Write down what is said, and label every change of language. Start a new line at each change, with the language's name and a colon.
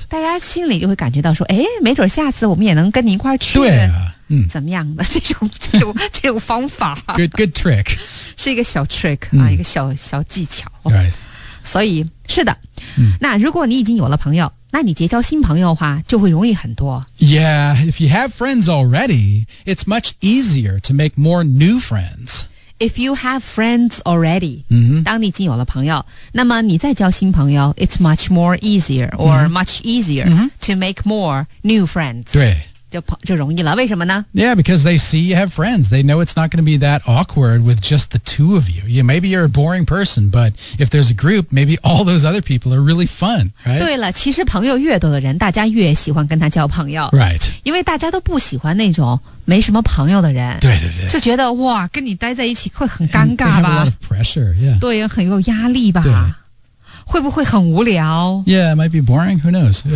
Chinese: 大家心里就会感觉到说哎，没准下次我们也能跟你一块儿去。对、啊。嗯，怎么样的这种方法
English: good trick
Chinese: 是一个小 trick、嗯、啊，一个小技巧
English: right
Chinese: 所以是的、嗯、那如果你已经有了朋友那你结交新朋友的话就会容易很多
English: yeah if you have friends already it's much easier to make more new friends if you have friends already、
Chinese: 嗯、当你已经有了朋友那么你再交新朋友
English: it's much more easier or、
Chinese: 嗯、
English: much easier、
Chinese: 嗯、
English: to make more new friends
Chinese: 对就容易了，为什么呢
English: ？Yeah, because they see you have friends. They know it's not going to be that awkward with just the two of you. Yeah, maybe you're a boring person, but if there's a group, maybe all those other people are really fun, right?
Chinese: 对了，其实朋友越多的人，大家越喜欢跟他交朋友
English: ，right?
Chinese: 因为大家都不喜欢那种没什么朋友的人，对对对，就觉得哇，跟你待在一起会很尴尬吧
English: ？They have a lot of pressure, yeah.
Chinese: 对，很有压力吧？对。会不会很无聊
English: ？Yeah, it might be boring. Who knows?、Yeah.